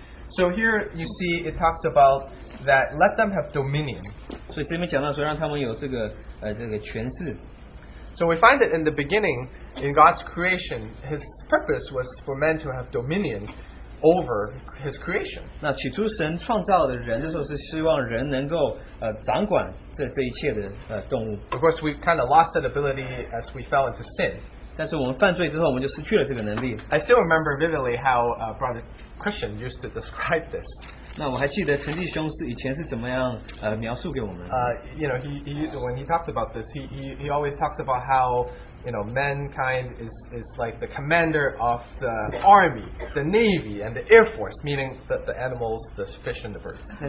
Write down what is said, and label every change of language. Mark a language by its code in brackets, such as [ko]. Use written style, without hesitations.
[en] So here you see it talks about that let them have dominion. [zh] 所以这边讲到说让他们有这个权势。 [en] So we find that in the beginning, in God's creation, his purpose was for men to have dominion over his creation. [zh] 那起初神创造的人的时候是希望人能够掌管这一切的动物。 [en] Of course, we kind of lost that ability as we fell into sin. [zh] 但是我们犯罪之后我们就失去了这个能力。 [en] I still remember vividly how Brother Christian used to describe this. [zh] 那我还记得陈继兄是以前是怎么样描述给我们。 [en] When he talked about this, he always talks about how mankind is like the commander of the army, the navy, and the air force, meaning that the animals, the fish, and the birds.